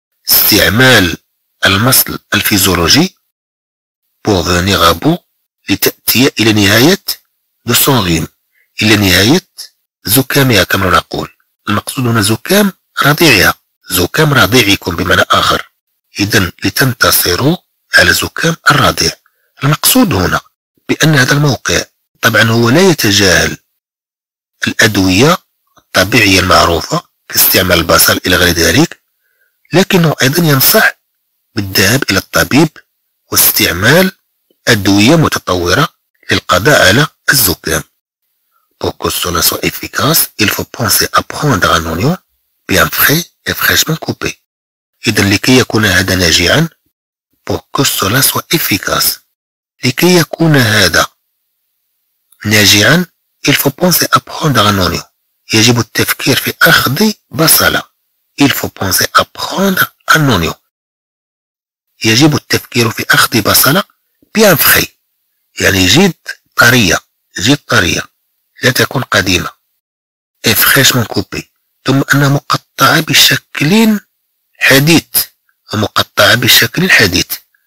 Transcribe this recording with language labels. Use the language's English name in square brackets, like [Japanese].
[Arabic] استعمال المصل الفيزيولوجي [French] pour venir à bout [Arabic] لتأتي إلى نهاية [French] de son rhume. [Arabic] إلى نهاية زكامها كما نقول. المقصود هنا زكام رضيعها. زكام رضيعكم بمعنى آخر. إذن لتنتصروا على زكام الرضيع. المقصود هنا بأن هذا الموقع طبعا هو لا يتجاهل الأدوية الطبيعية المعروفة كاستعمال البصل إلى غير ذلك لكنه أيضا ينصح بالذهاب إلى الطبيب واستعمال أدوية متطورة للقضاء على الزكام [French] pour que cela soit efficace il faut penser à prendre un oignon bien frais et fraîchement coupé [Arabic] إذا لكي يكون هذا ناجعا [French] pour que cela soit efficace [Arabic] لكي يكون هذا ناجعا [French] Il faut penser à prendre un oignon. [Arabic] يجب التفكير في أخذ بصلة. [French] Il faut penser à prendre un oignon. [Arabic] يجب التفكير في أخذ بصلة [French] bien frais. [Arabic] يعني جد طرية. لا تكون قديمة. [French] Et fraîchement coupée. [Arabic] ثم أنها مقطعة بشكل حديث.